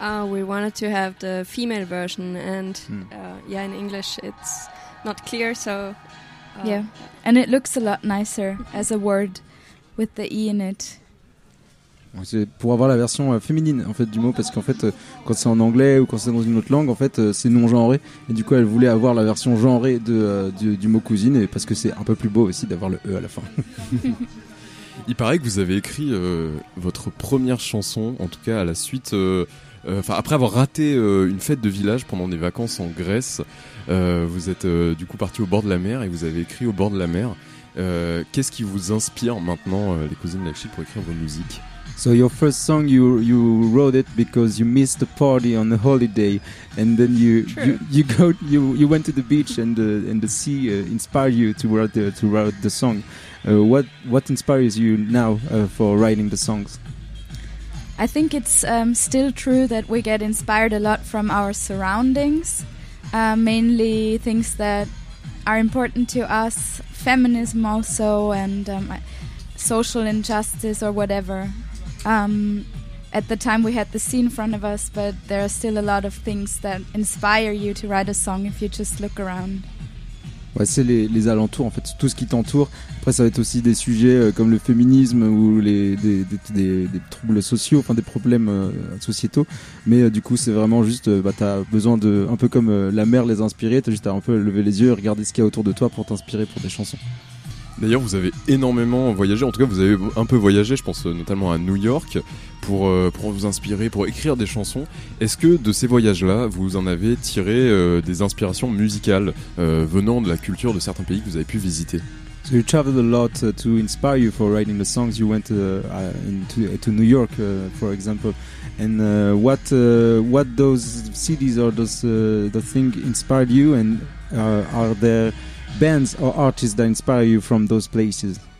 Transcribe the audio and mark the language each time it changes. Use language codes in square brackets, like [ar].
[en] We wanted to have the female version, and yeah, in English it's not clear. So yeah, and it looks a lot nicer as a word with the E in it. [fr] C'est pour avoir la version féminine en fait du mot, parce qu'en fait quand c'est en anglais ou quand c'est dans une autre langue, en fait c'est non genré, et du coup elle voulait avoir la version genrée du mot cousine, et parce que c'est un peu plus beau aussi d'avoir le E à la fin. Il paraît que vous avez écrit votre première chanson, en tout cas à la suite, après avoir raté une fête de village pendant des vacances en Grèce, vous êtes du coup parti au bord de la mer et vous avez écrit au bord de la mer. Qu'est-ce qui vous inspire maintenant les Cousins Like Shit pour écrire vos musiques? [en] So your first song, you wrote it because you missed a party on a holiday, and then you went to the beach and the sea inspired you to write the song. What inspires you now for writing the songs? I think it's still true that we get inspired a lot from our surroundings, mainly things that are important to us, feminism also, and social injustice or whatever. At the time we had the sea in front of us, but there are still a lot of things that inspire you to write a song if you just look around. [fr] Ouais, c'est les alentours, en fait, tout ce qui t'entoure. Après, ça va être aussi des sujets comme le féminisme ou des troubles sociaux, enfin des problèmes sociétaux. Mais du coup, c'est vraiment juste, t'as besoin de, un peu comme la mer les inspirer, t'as juste à un peu lever les yeux et regarder ce qu'il y a autour de toi pour t'inspirer pour des chansons. D'ailleurs, vous avez énormément voyagé, en tout cas, vous avez un peu voyagé, je pense notamment à New York, pour vous inspirer, pour écrire des chansons. Est-ce que de ces voyages-là, vous en avez tiré des inspirations musicales venant de la culture de certains pays que vous avez pu visiter? [en] So you traveled a lot to inspire you for writing the songs. You went to New York, for example. And what those cities or the thing inspired you, and are there bands or artists that inspire you from those places?